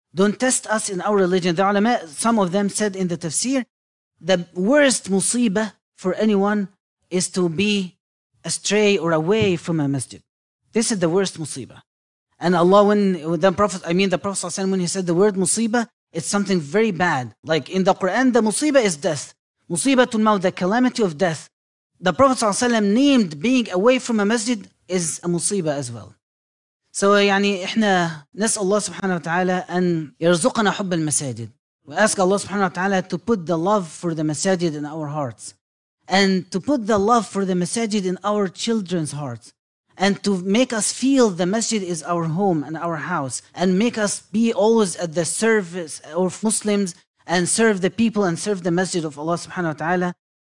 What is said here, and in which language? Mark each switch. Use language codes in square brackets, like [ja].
[en] Don't test us in our religion. The ulama, some of them said in the tafsir, the worst musibah for anyone is to be astray or away from a masjid. This is the worst musibah. And Allah, the Prophet, when he said the word musibah, it's something very bad. Like in the Quran, the musibah is death. Musibatul maut, the calamity of death. the Prophet ﷺ named being away from a masjid is a musiba as well. So [ar] يعني إحنا نسأل الله سبحانه وتعالى أن يرزقنا حب المساجد. [en] We ask Allah subhanahu wa ta'ala to put the love for the masajid in our hearts. And to put the love for the masajid in our children's hearts. And to make us feel the masjid is our home and our house. And make us be always at the service of Muslims and serve the people and serve the masjid of Allah subhanahu wa ta'ala.